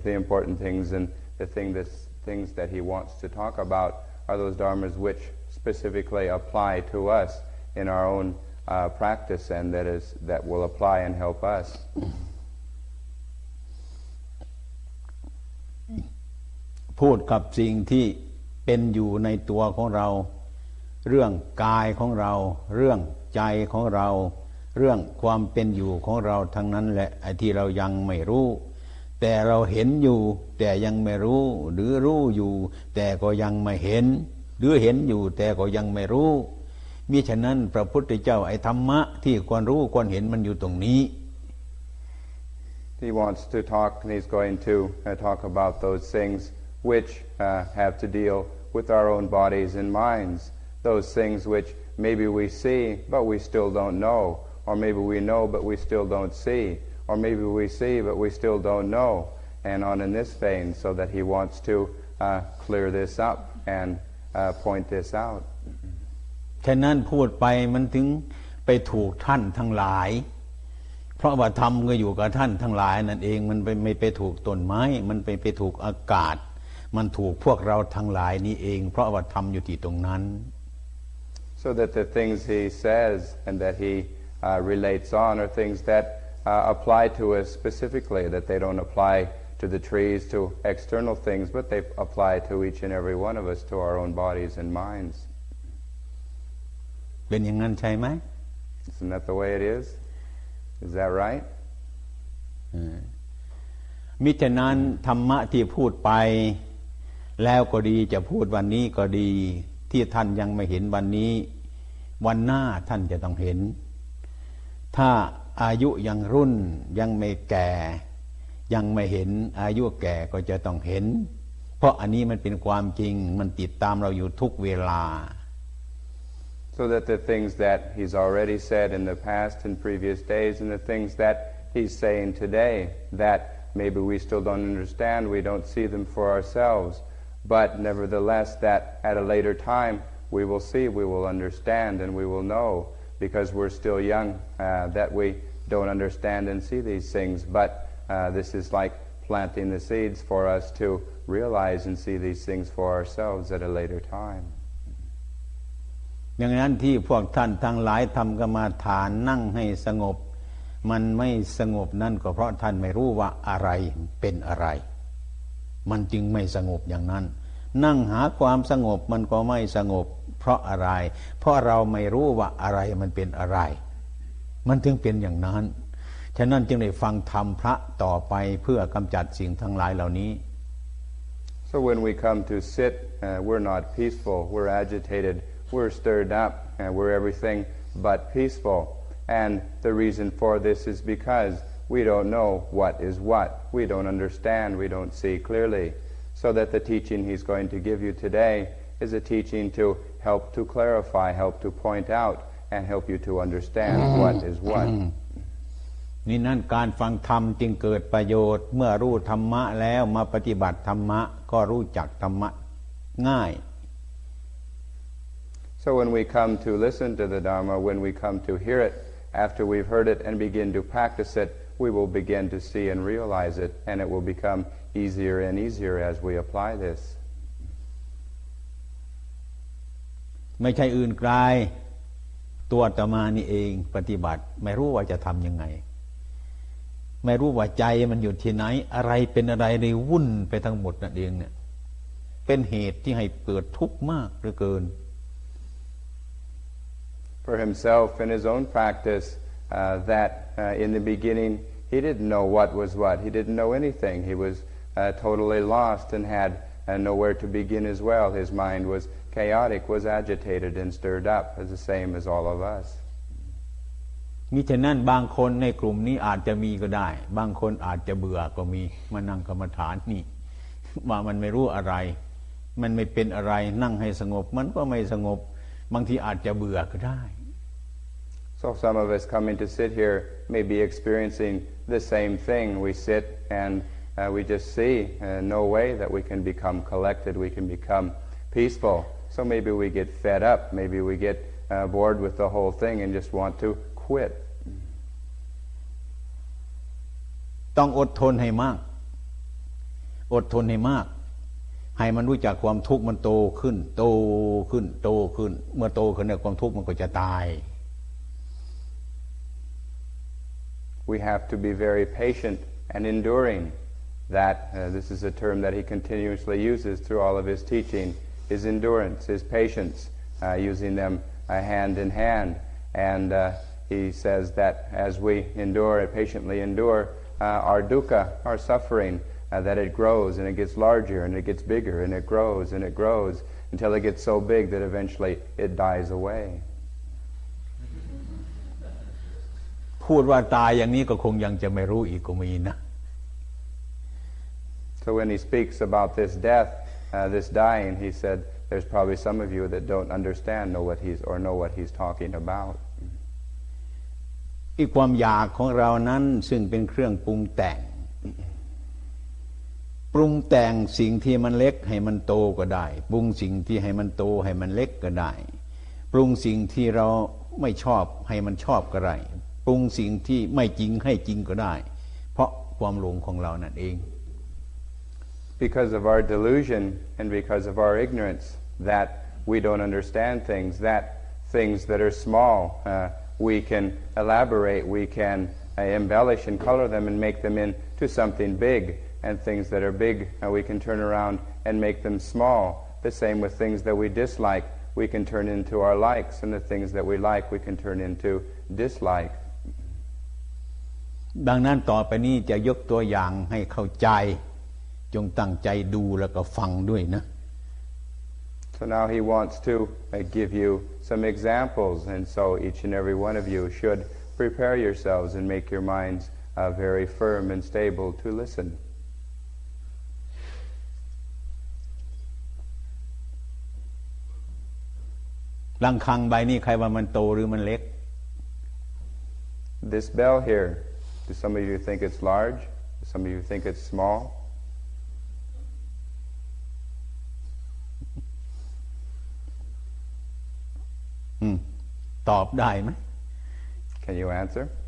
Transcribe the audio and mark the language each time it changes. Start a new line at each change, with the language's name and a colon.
English: The important things and the things that he wants to talk about are those dharmas which specifically apply to us in our own practice and that will apply and help us.
Thai: พูดกับสิ่งที่เป็นอยู่ในตัวของเราเรื่องกายของเราเรื่องใจของเราเรื่องความเป็นอยู่ของเราทั้งนั้นแหละไอ้ที่เรายังไม่รู้แต่เราเห็นอยู่แต่ยังไม่รู้หรือรู้อยู่แต่ก็ยังไม่เห็นหรือเห็นอยู่แต่ก็ยังไม่รู้มิฉะนั้นพระพุทธเจ้าไอ้ธรรมะที่ควรรู้ควรเห็นมันอยู่ตรงนี้
English: He wants to talk and he's going to talk about those thingswhich have to deal with our own bodies and minds, those things which maybe we see but we still don't know, or maybe we know but we still don't see, or maybe we see but we still don't know, and on in this vein, so that he wants to clear this up and point this out.
Thai: ฉะนั้นพูดไปมันถึงไปถูกท่านทั้งหลาย เพราะว่าธรรมก็อยู่กับท่านทั้งหลายนั่นเองมันไปไม่ไปถูกต้นไม้มันไปถูกอากาศมันถูกพวกเราทั้งหลายนี้เองเพราะว่าธรรมอยู่ที่ตรงนั้น
English: so that the things he says and that he relates on are things that apply to us specifically that they don't apply to the trees to external things but they apply to each and every one of us to our own bodies and minds
Thai: เป็นอย่างนั้นใช่ไหม
English: isn't that the way it isIs that right?
Thai: มิฉะนั้นธรรมะที่พูดไปแล้วก็ดีจะพูดวันนี้ก็ดีที่ท่านยังไม่เห็นวันนี้วันหน้าท่านจะต้องเห็นถ้าอายุยังรุ่นยังไม่แก่ยังไม่เห็นอายุแก่ก็จะต้องเห็นเพราะอันนี้มันเป็นความจริงมันติดตามเราอยู่ทุกเวลา
English: So that the things that he's already said in the past and previous days and the things that he's saying today that maybe we still don't understand, we don't see them for ourselves, but nevertheless that at a later time we will see, we will understand and we will know because we're still young that we don't understand and see these things, but this is like planting the seeds for us to realize and see these things for ourselves at a later time.
Thai: อย่างนั้นที่พวกท่านทั้งหลายทำกรรมฐานนั่งให้สงบมันไม่สงบนั่นก็เพราะท่านไม่รู้ว่าอะไรเป็นอะไรมันจึงไม่สงบอย่างนั้นนั่งหาความสงบมันก็ไม่สงบเพราะอะไรเพราะเราไม่รู้ว่าอะไรมันเป็นอะไรมันถึงเป็นอย่างนั้นฉะนั้นจึงได้ฟังธรรมพระต่อไปเพื่อกำจัดสิ่งทั้งหลายเหล่านี้
English: So when we come to sit we're not peaceful we're agitatedWe're stirred up, and we're everything but peaceful. And the reason for this is because we don't know what is what. We don't understand. We don't see clearly. So that the teaching he's going to give you today is a teaching to help to clarify, help to point out, and help you to understand what is what.
Thai: นี่นั่นการฟังธรรมจึงเกิดประโยชน์เมื่อรู้ธรรมะแล้วมาปฏิบัติธรรมะก็รู้จักธรรมะง่าย
English: So when we come to listen to the Dharma, when we come to hear it, after we've heard it and begin to practice it, we will begin to see and realize it, and it will become easier and easier as we apply this.
Thai: ไม่ใช่อื่นไกลตัวอาตมานี่เองปฏิบัติไม่รู้ว่าจะทำยังไงไม่รู้ว่าใจมันอยู่ที่ไหนอะไรเป็นอะไรในวุ่นไปทั้งหมดนั่นเองเนี่ยเป็นเหตุที่ให้เกิดทุกข์มากเหลือเกิน
English: For himself in his own practice that in the beginning he didn't know what was what he didn't know anything he was totally lost and had nowhere to begin as well his mind was chaotic was agitated and stirred up as the same as all of us
Thai: มีฉะนั้นบางคนในกลุ่มนี้อาจจะมีก็ได้บางคนอาจจะเบื่อก็มีมานั่งกรรมฐานนี่ว่ามันไม่รู้อะไรมันไม่เป็นอะไรนั่งให้สงบมันก็ไม่สงบบางทีอาจจะเบื่อก็ได้
English: So some of us coming to sit here may be experiencing the same thing we sit and we just see no way that we can become collected we can become peaceful so maybe we get fed up maybe we get bored with the whole thing and just want to quit
Thai: ต้องอดทนให้มากอดทนให้มากให้มันรู้จักความทุกข์มันโตขึ้นโตขึ้นโตขึ้นเมื่อโตขึ้นเนี่ยความทุกข์มันก็จะตาย
English: We have to be very patient and enduring that this is a term that he continuously uses through all of his teaching his endurance his patience using them hand in hand and he says that as we endure and patiently endure our dukkha our sufferingthat it grows and it gets larger and it gets bigger and it grows until it gets so big that eventually it dies away
Thai: พูดว่าตายอย่างนี้ก็คงยังจะไม่รู้อีกก็มีนะ
English: So when he speaks about this death this dying he said there's probably some of you that don't understand know what he's talking about
Thai: อีกความอยากของเรานั้นซึ่งเป็นเครื่องปรุงแต่งปรุงแต่งสิ่งที่มันเล็กให้มันโตก็ได้ปรุงสิ่งที่ให้มันโตให้มันเล็กก็ได้ปรุงสิ่งที่เราไม่ชอบให้มันชอบก็ได้ ปรุงสิ่งที่ไม่จริงให้จริงก็ได้เพราะความหลงของเรานั่นเอง
English: Because of our delusion and because of our ignorance that we don't understand things that things that are small we can elaborate we can embellish and color them and make them into something big and things that are big we can turn around and make them small the same with things that we dislike we can turn into our likes and the things that we like we can turn into dislike
Thai: ดังนั้นต่อไปนี้จะยกตัวอย่างให้เข้าใจจงตั้งใจดูแล้วก็ฟังด้วยนะ
English: So now he wants to give you some examples and so each and every one of you should prepare yourselves and make your minds very firm and stable to listen
Thai: ลังคังใบนี้ใครว่ามันโตหรือมันเล็ก
English: This bell here do some of you think it's large do some of you think it's small
Thai: ตอบได้ไหม
English: Can you answer